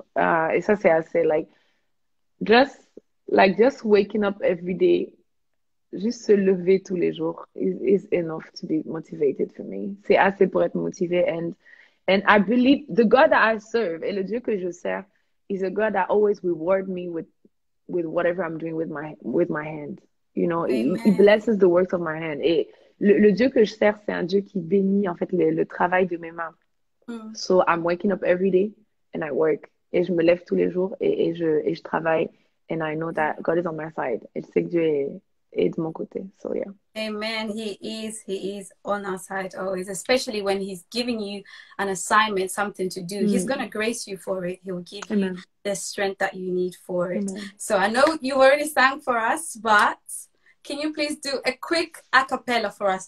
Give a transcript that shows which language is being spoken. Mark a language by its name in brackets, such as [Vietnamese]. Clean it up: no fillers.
[French] Et ça, c'est assez. [English] Just waking up every day, [French] juste se lever tous les jours, [English] is enough to be motivated for me. [French] C'est assez pour être motivé. [English] And I believe the God that I serve, [French] et le Dieu que je sers, [English] is a God that always reward me with whatever I'm doing with my hand. He Amen. blesses the works of my hand. [French] Et le Dieu que je sers, c'est un Dieu qui bénit en fait le travail de mes mains. [English] So I'm waking up every day and I work. [French] Et je me lève tous les jours et je travaille. [English] And I know that God is on my side. [French] Et je sais que Dieu est de mon côté. [English] So yeah. Amen. He is on our side always, especially when he's giving you an assignment, something to do. He's going to grace you for it. He will give you Amen. the strength that you need for it. Amen. So I know you already sang for us, but can you please do a quick a cappella for us?